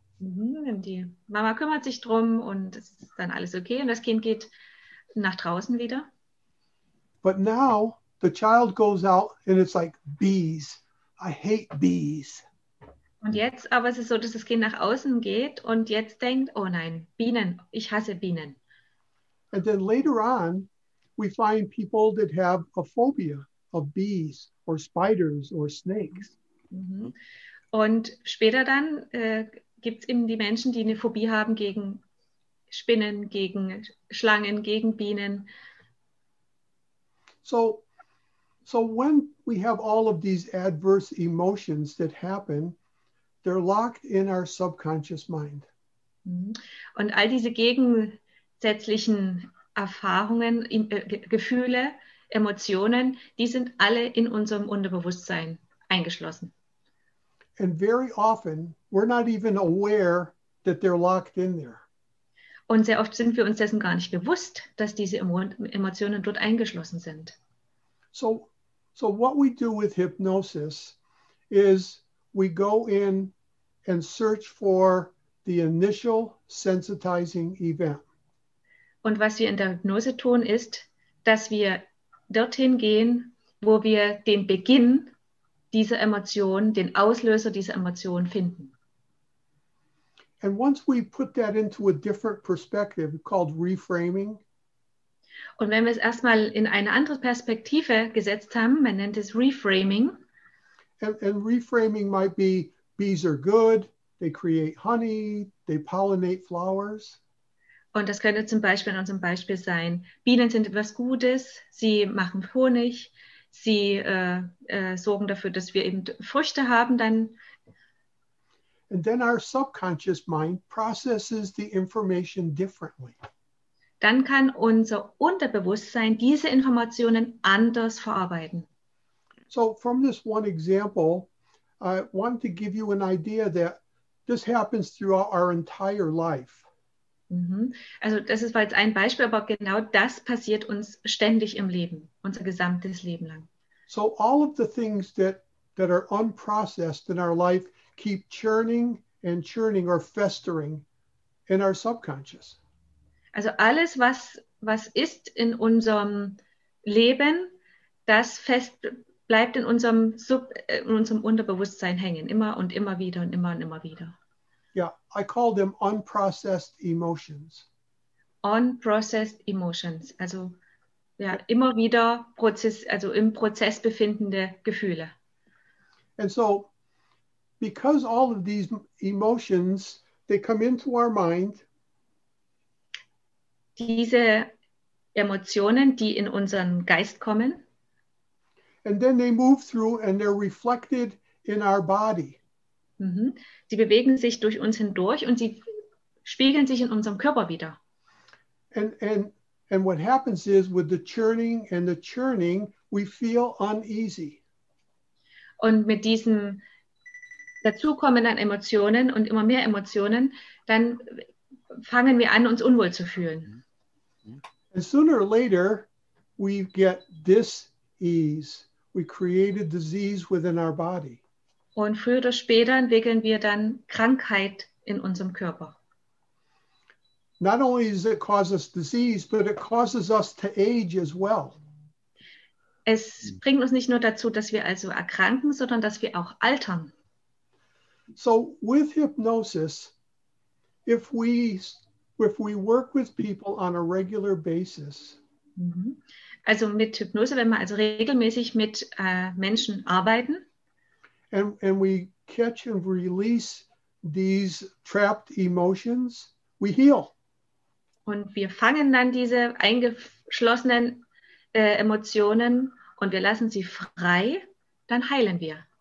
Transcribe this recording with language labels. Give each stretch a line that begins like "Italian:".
German: Die Mama kümmert sich drum und es ist dann alles okay und das Kind geht nach draußen wieder.
English: But now the child goes out and it's like bees. I hate bees.
German: Und jetzt aber es ist so, dass das Kind nach außen geht und jetzt denkt, oh nein, Bienen, ich hasse Bienen.
English: And then later on we find people that have a phobia of bees or spiders or snakes.
German: Und später dann gibt es eben die Menschen, die eine Phobie haben gegen Spinnen, gegen Schlangen, gegen Bienen.
English: So when we have all of these adverse emotions that happen, they're locked in our subconscious mind.
German: Und all diese gegensätzlichen Erfahrungen, Gefühle, Emotionen, die sind alle in unserem Unterbewusstsein eingeschlossen.
English: And very often we're not even aware that they're locked in there.
German: Und sehr oft sind wir uns dessen gar nicht bewusst, dass diese Emotionen dort eingeschlossen sind.
English: So what we do with hypnosis is we go in and search for the initial sensitizing event.
German: Und was wir in der Hypnose tun ist, dass wir dorthin gehen, wo wir den Beginn dieser Emotion, den Auslöser dieser Emotion finden.
English: And once we put that into a different perspective called reframing.
German: Und wenn wir es erstmal in eine andere Perspektive gesetzt haben, man nennt es reframing.
English: And reframing might be bees are good, they create honey, they pollinate flowers.
German: Und das könnte zum Beispiel in unserem Beispiel sein, Bienen sind etwas Gutes, sie machen Honig, sie sorgen dafür, dass wir eben Früchte haben, dann.
English: And then our subconscious mind processes the information differently.
German: Dann kann unser Unterbewusstsein diese Informationen anders verarbeiten.
English: So from this one example, I want to give you an idea that this happens throughout our entire life.
German: Also das ist jetzt ein Beispiel, aber genau das passiert uns ständig im Leben, unser gesamtes Leben lang.
English: So all of the things that are unprocessed in our life keep churning and churning or festering in our subconscious.
German: Also alles, was ist in unserem Leben, das fest bleibt in unserem Unterbewusstsein hängen, immer und immer wieder und immer und immer wieder.
English: Yeah, I call them unprocessed emotions. Unprocessed emotions,
German: also ja, immer wieder Prozess, also im Prozess befindende Gefühle.
English: And so, because all of these emotions, they come into our mind.
German: Diese Emotionen, die in unseren Geist kommen.
English: And then they move through and they're reflected in our body.
German: Sie bewegen sich durch uns hindurch und sie spiegeln sich in unserem Körper wieder.
English: And what happens is with the churning and the churning, we feel uneasy.
German: Und mit diesem dazukommenden Emotionen und immer mehr Emotionen, dann fangen wir an, uns unwohl zu fühlen.
English: And sooner or later, we get dis-ease. We create a disease within our body.
German: Und früher oder später entwickeln wir dann Krankheit in unserem Körper.
English: Not only does it cause us disease, but it causes us to age as well.
German: Es bringt uns nicht nur dazu, dass wir also erkranken, sondern dass wir auch altern.
English: So with hypnosis, if we work with people on a regular basis.
German: Also mit Hypnose, wenn wir also regelmäßig mit Menschen arbeiten.
English: And we catch and release these trapped emotions, we heal.
German: Und wir fangen dann diese eingeschlossenen Emotionen und wir lassen sie frei, dann heilen wir.